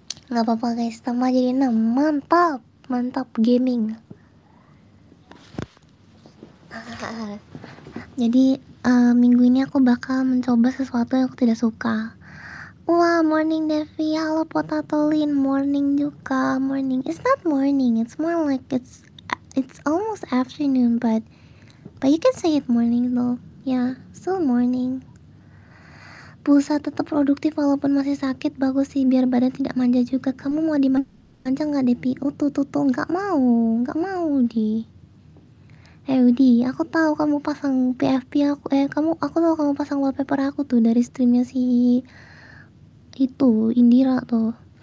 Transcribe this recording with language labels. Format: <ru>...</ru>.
<id>Gak apa-apa, guys, tambah jadi 6. Mantap, mantap gaming. Jadi minggu ini aku bakal mencoba sesuatu yang aku tidak suka.</id> <en>Wah, morning Devi, halo Potatolin, morning juga, morning. It's not morning, it's more like it's It's almost afternoon, but you can say it morning though. Yeah, still morning.</en> <id>Pulsa tetap produktif walaupun masih sakit. Bagus sih biar badan tidak manja juga. Kamu mau dimanja nggak, Depi? Oh, tuh, nggak mau, Di. Eh, Udi, aku tahu kamu pasang PFP aku. Eh, kamu, aku tahu kamu pasang wallpaper aku tuh dari streamnya si itu Indira tuh.</id>